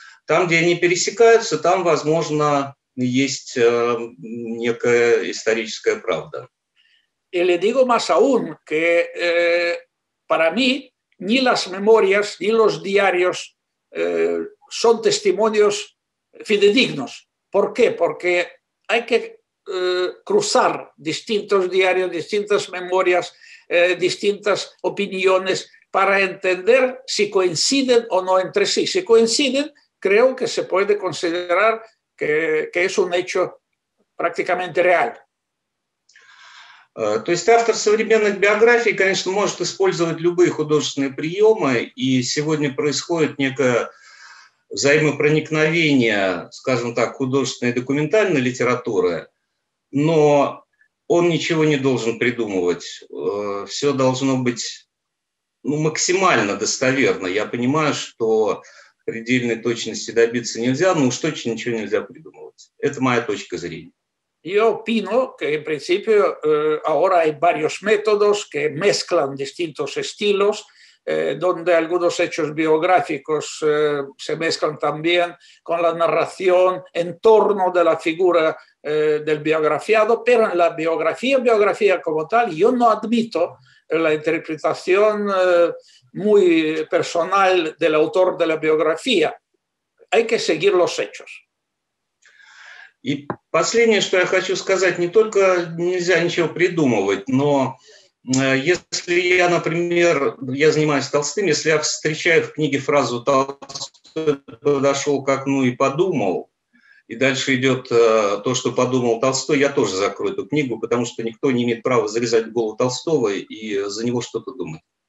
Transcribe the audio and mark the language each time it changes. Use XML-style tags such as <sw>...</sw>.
<ru>Там, где они пересекаются, там, возможно, есть некая историческая правда.</ru> <es>Y le digo más aún que para mí ni las memorias ni los diarios son testimonios fidedignos. ¿Por qué? Porque hay que cruzar distintos diarios, distintas memorias, distintas opiniones para entender si coinciden o no entre sí. Si coinciden, creo que se puede considerar que es un hecho prácticamente real.</es> <ru>То есть автор современных биографий, конечно, может использовать любые художественные приемы, и сегодня происходит некое взаимопроникновение, скажем так, художественной и документальной литературы, но он ничего не должен придумывать. Все должно быть максимально достоверно. Я понимаю, что предельной точности добиться нельзя, но уж точно ничего нельзя придумывать. Это моя точка зрения.</ru> <es>Yo opino que en principio ahora hay varios métodos que mezclan distintos estilos, donde algunos hechos biográficos se mezclan también con la narración en torno de la figura del biografiado, pero en la biografía como tal, yo no admito la interpretación muy personal del autor de la biografía. Hay que seguir los hechos.</es> <ru>И последнее, что я хочу сказать, не только нельзя ничего придумывать, но Если я, например, я занимаюсь Толстым, если я встречаю в книге фразу «Толстой подошел к окну и подумал», и дальше идет то, что подумал Толстой, я тоже закрою эту книгу, потому что никто не имеет права зарезать голову Толстого и за него что-то думать.</ru>